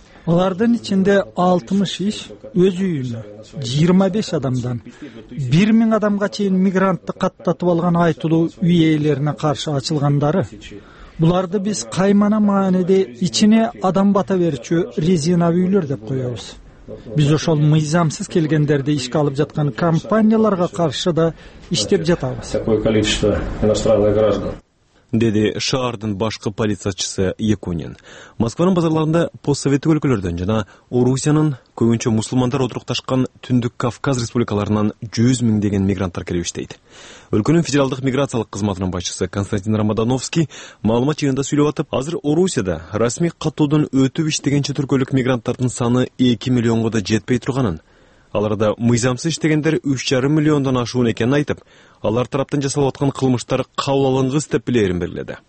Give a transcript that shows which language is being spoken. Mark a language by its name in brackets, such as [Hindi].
[Kyrgyz] Алардын ичинде 60 иш өз үйүнө 25 адамдан 1000 адамга чейин мигрантты каттатып алган айтылуу үй ээлерине каршы ачылгандары. Буларды биз каймана мааниде ичине адам бата берчү резиновый үйлөр деп коебуз. Биз ошол мыйзамсыз келгендерди ишке алып жаткан компанияларга каршы да иштеп жатабыз. [Russian] Такое количество иностранных граждан. [Kyrgyz] Деди шаардын башкы полициячысы Якунин. Москванын базарларында постсоветтик өлкөлөрдөн жана Орусиянын көбүнчө мусулмандар отурукташкан Түндүк Кавказ республикаларынан 100 000 деген мигранттар келип иштейт. Өлкөнүн федералдык миграциялык кызматынын башчысы Константин Рамадановский маалымат жыйынында сүйлөп атып, азыр Орусияда расмий каттоодон өтүп иштегенче түркөлүк мигранттардын саны 2 000 000 да жетпей турганын, аларда мыйзамсыз иштегендер 3.5 000 000 ашуун экенин айтып, алар тараптан жасалып аткан кылмыштар кабыл алынгыс деп билерин белгиледи.